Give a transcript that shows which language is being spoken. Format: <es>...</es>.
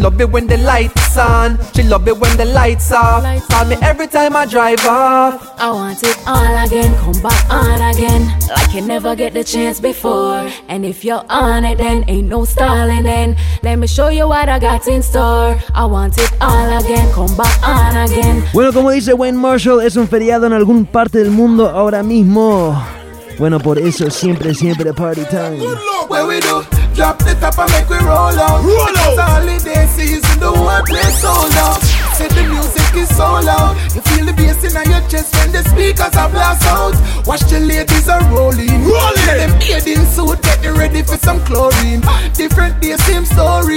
<en>Love it when the light's on. She love it when the light's off. Call me every time I drive off. I want it all again. Come back on again. Like you never get the chance before. And if you're on it then ain't no stalling then. Let me show you what I got in store. I want it all again, come back on again.</en> <es>Bueno, como dice Wayne Marshall, es un feriado en algún parte del mundo ahora mismo. Bueno, por eso siempre, siempre</es> <en>party time. Good luck, what we do? Drop the top and make we roll out. Roll out! It's holiday season, the world plays so loud. Say the music is so loud. You feel the bass in your chest when the speakers are blast out. Watch the ladies are rolling. Rolling! Them bathing suit, get ready for some chlorine. Different day, same story.</en>